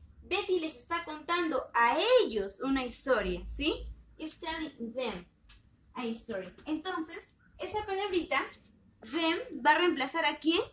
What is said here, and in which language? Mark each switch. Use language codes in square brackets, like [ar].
[es] Betty les está contando a ellos una historia, ¿sí? [en] Is telling them a history. [es] Entonces, esa palabrita, them, va a reemplazar ¿a quién?